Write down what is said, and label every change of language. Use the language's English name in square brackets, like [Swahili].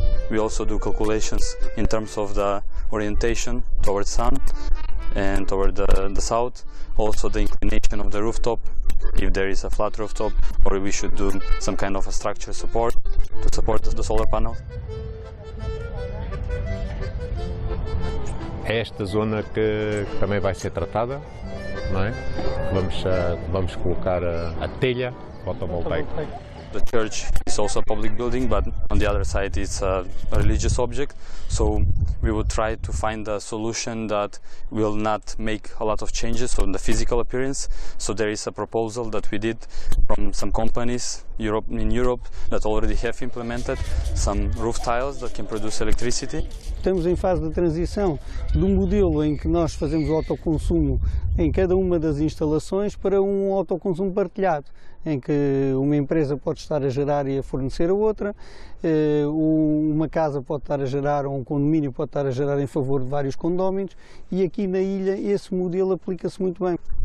[English] We also do calculations in terms of the orientation towards sun and toward the south, also the inclination of the rooftop, if there is a flat rooftop, or we should do some kind of a structure support to support the solar panel. [Portuguese] É esta zona que também vai ser tratada, não é? Vamos colocar a telha fotovoltaica. [English] The church is also a public building, but on the other side it's a religious object. So we would try to find a solution that will not make a lot of changes on the physical appearance. So there is a proposal that we did from some companies in Europe that already have implemented some roof tiles that can produce electricity. [Portuguese] Estamos em fase de transição do modelo em que nós fazemos autoconsumo em cada uma das instalações para um autoconsumo partilhado, em que uma empresa pode estar a gerar e a fornecer a outra, uma casa pode estar a gerar ou um condomínio pode estar a gerar em favor de vários condóminos, e aqui na ilha esse modelo aplica-se muito bem.